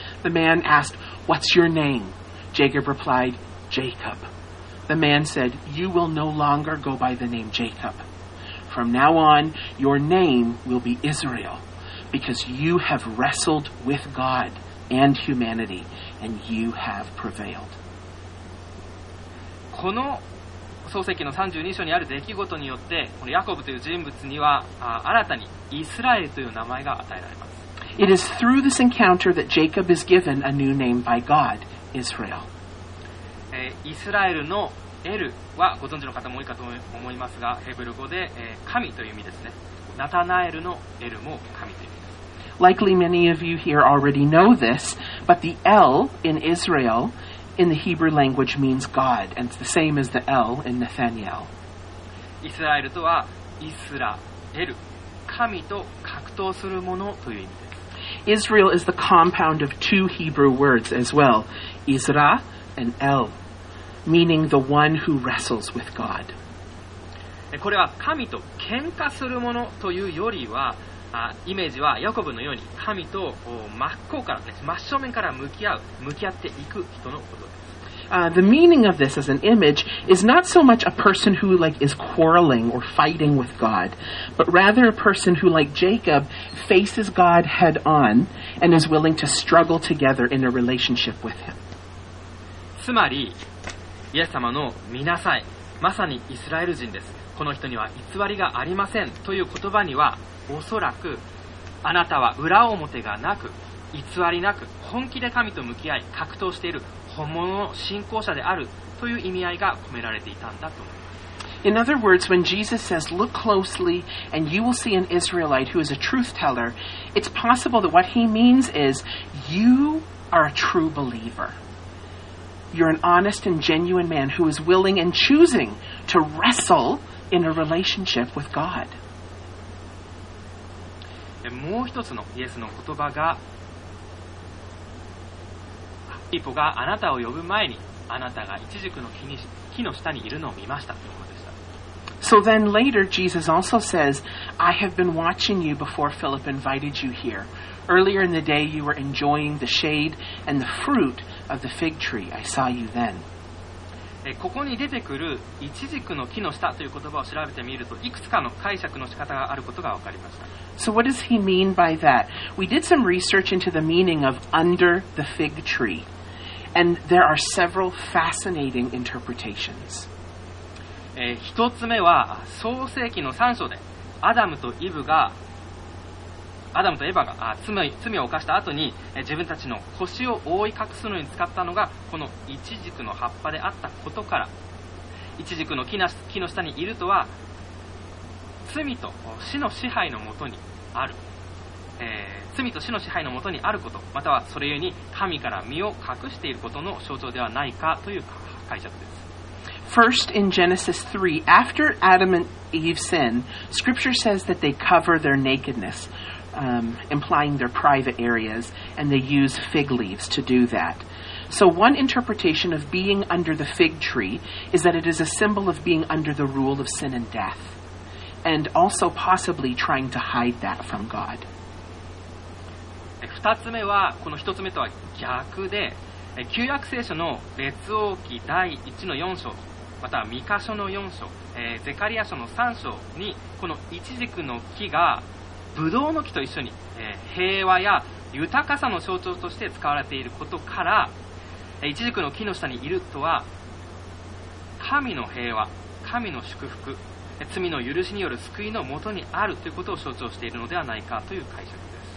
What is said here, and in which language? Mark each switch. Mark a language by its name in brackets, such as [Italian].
[English] The man asked, "What's your name?" Jacob replied, "Jacob." The man said, "You will no longer go by the name Jacob. From now on, your name will be Israel, because you have wrestled with God and humanity, and you have prevailed." [Japanese] この創世記の32章にある出来事によって、このヤコブという人物には新たにイスラエルという名前が与えられます。 [English] It is through this encounter that Jacob is given a new name by God, Israel. [Japanese] イスラエルのエルはご存知の方も多いかと思いますが、ヘブル語で神という意味ですね。ナタナエルのエルも神という意味です。 [English] Likely many of you here already know this, but the L in Israel in the Hebrew language means God, and it's the same as the L in Nathaniel. [Japanese] イスラエルとはイスラエル、神と格闘するものという意味です。 [English] Israel is the compound of two Hebrew words as well, Isra and El. Meaning the one who wrestles with God. [Japanese] これは神と喧嘩するものというよりは、イメージはヤコブのように神と真っ向から、真正面から向き合う、向き合っていく人のことです。 [English] The meaning of this as an image is not so much a person who like is quarreling or fighting with God, but rather a person who like Jacob faces God head on and is willing to struggle together in a relationship with him. [Japanese] つまりイエス様の見なさい、まさにイスラエル人です、この人には偽りがありませんという言葉には、おそらくあなたは裏表がなく偽りなく本気で神と向き合い格闘している本物の信仰者であるという意味合いが込められていたんだと思います。 [English] In other words, when Jesus says, "Look closely and you will see an Israelite who is a truth teller," it's possible that what he means is, you are a true believer. You're an honest and genuine man who is willing and choosing to wrestle in a relationship with God. [Japanese] もう一つのイエスの言葉が、ピーポがあなたを呼ぶ前にあなたがイチジクの木の下にいるのを見ましたというものでした。 [English] So then later Jesus also says, "I have been watching you before Philip invited you here. Earlier in the day you were enjoying the shade and the fruit. Of the fig tree, I saw you then. [Japanese] ここに出てくるイチジクの木の下という言葉を調べてみると、いくつかの解釈の仕方があることが分かりました。 [English] So what does he mean by that? We did some research into the meaning of under the fig tree, and there are several fascinating interpretations. [Japanese] 一つ目は創世記の3章でアダムとエヴァが罪を犯した後に自分たちの腰を覆い隠すのに使ったのがこのイチジクの葉っぱであったことから、イチジクの木の下にいるとは罪と死の支配のもとにある、罪と死の支配のもとにあること、またはそれゆえに神から身を隠していることの象徴ではないかという解釈です。 [English] First in Genesis 3, after Adam and Eve sin, Scripture says that they cover their nakedness. Implying their private areas, and they use fig leaves to do that. So one interpretation of being under the fig tree is that it is a symbol of being under the rule of sin and death, and also possibly trying to hide that from God. [Japanese] 2つ目はこの1つ目とは逆で、旧約聖書の列王記第1の4章、またミカ書の4章、ゼカリア書の3章にこのイチジクの木がブドウの木と一緒に、平和や豊かさの象徴として使われていることから、イチジクの木の下にいるとは神の平和、神の祝福、罪の許しによる救いのもとにあるということを象徴しているのではないかという解釈です。